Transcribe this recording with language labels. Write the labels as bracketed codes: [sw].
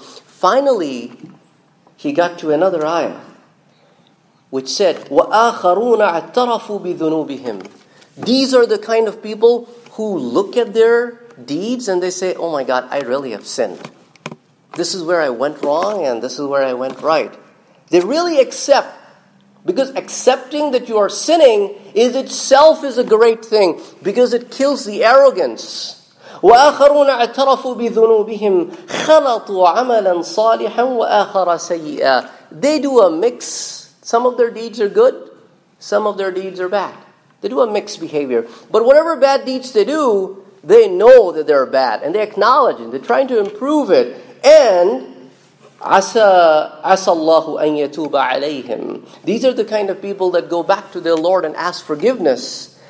[en] Finally, he got to another ayah, which said, [ar] وَآخَرُونَ اَعْتَرَفُوا بِذُنُوبِهِمْ [en] These are the kind of people who look at their deeds and they say, Oh my God, I really have sinned. This is where I went wrong and this is where I went right. They really accept, because accepting that you are sinning is itself is a great thing, because it kills the arrogance. [ar] وَآخَرُونَ اَعْتَرَفُوا بِذُنُوبِهِمْ خَلَطُوا عَمَلًا صَالِحًا وَآخَرَ سَيِّئًا [en] They do a mix. Some of their deeds are good. Some of their deeds are bad. They do a mixed behavior. But whatever bad deeds they do, they know that they're bad. And they acknowledge it. They're trying to improve it. And [ar] عَسَى اللَّهُ أَن يَتُوبَ عَلَيْهِمْ [en] These are the kind of people that go back to their Lord and ask forgiveness.